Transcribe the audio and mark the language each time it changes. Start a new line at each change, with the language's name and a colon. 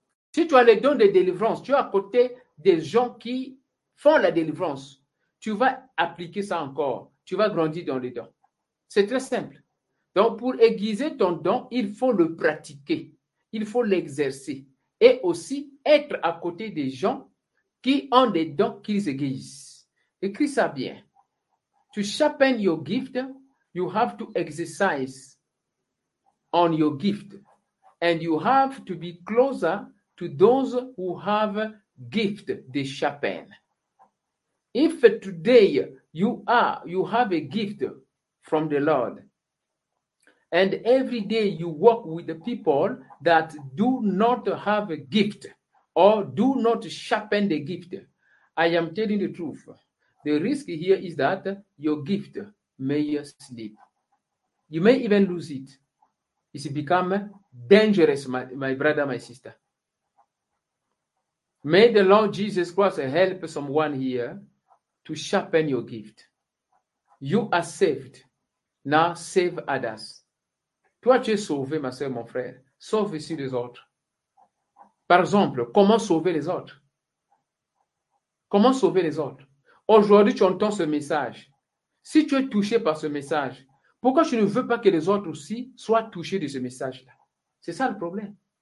French: Si tu as le don de délivrance, tu es à côté des gens qui font la délivrance, tu vas appliquer ça encore, tu vas grandir dans les dons. C'est très simple. Donc pour aiguiser ton don, il faut le pratiquer, il faut l'exercer. Et aussi, être à côté des gens qui ont des dons qu'ils aiguisent. Écris ça bien.
English: To sharpen your gift, you have to exercise on your gift. And you have to be closer to those who have gift they sharpen. If today you have a gift from the Lord, and every day you work with the people that do not have a gift or do not sharpen the gift, I am telling the truth. The risk here is that your gift may slip. You may even lose it. it becomes dangerous, my brother, my sister. May the Lord Jesus Christ help someone here to sharpen your gift. You are saved. Now save others.
French: Toi, tu es sauvé, ma soeur, mon frère. Sauve aussi les autres. Par exemple, comment sauver les autres? Comment sauver les autres? Aujourd'hui, tu entends ce message. Si tu es touché par ce message, pourquoi tu ne veux pas que les autres aussi soient touchés de ce message-là? C'est ça le problème.